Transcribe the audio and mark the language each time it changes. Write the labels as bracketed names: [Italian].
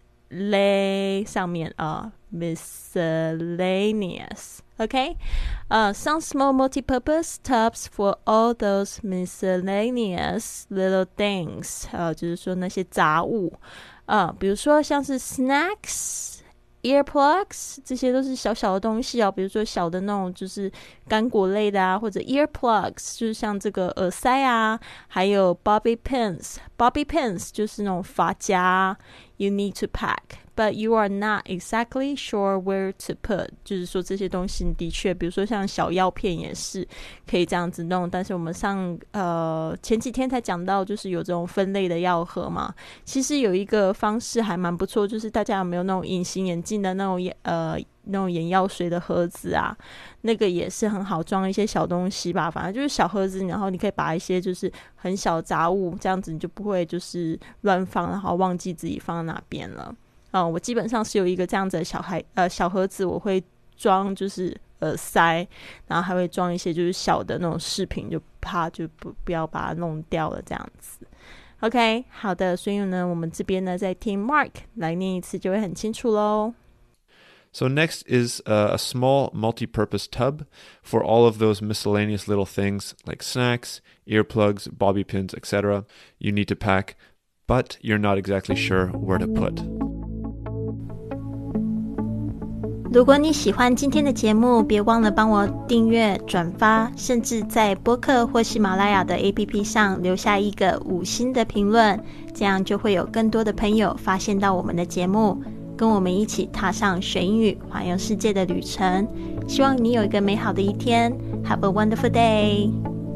[Chinese] lay 上面啊、miscellaneous. [English] Okay, some small multi-purpose tubs for all those miscellaneous little things. [Chinese] 就是说那些杂物啊、比如说像是 snacks. Earplugs 这些都是小小的东西哦，比如说小的那种就是干果类的啊，或者 earplugs 就是像这个耳塞啊，还有 bobby pins， bobby pins 就是那种发夹。 [English] You need to pack, but you are not exactly sure where to put. [Chinese] 就是说这些东西的确，比如说像小药片也是可以这样子弄，但是我们上前几天才讲到，就是有这种分类的药盒嘛。其实有一个方式还蛮不错，就是大家有没有那种隐形眼镜的那种那种眼药水的盒子啊，那个也是很好装一些小东西吧，反正就是小盒子，然后你可以把一些就是很小的杂物，这样子你就不会就是乱放，然后忘记自己放在哪边了。我基本上是有一个这样子的小盒子，我会装就是耳塞，然后还会装一些就是小的那种饰品，就怕就 不要把它弄掉了这样子。 OK， 好的，所以呢我们这边呢再听 Mark 来念一次就会很清楚咯。 [English] So next is a small multi-purpose tub for all of those miscellaneous little things like snacks, earplugs, bobby pins, etc. you need to pack, but you're not exactly sure where to put. [Chinese] 如果你喜欢今天的节目，别忘了帮我订阅、转发，甚至在播客或喜马拉雅的 APP 上留下一个五星的评论，这样就会有更多的朋友发现到我们的节目。跟我们一起踏上学英语环游世界的旅程，希望你有一个美好的一天。 Have a wonderful day.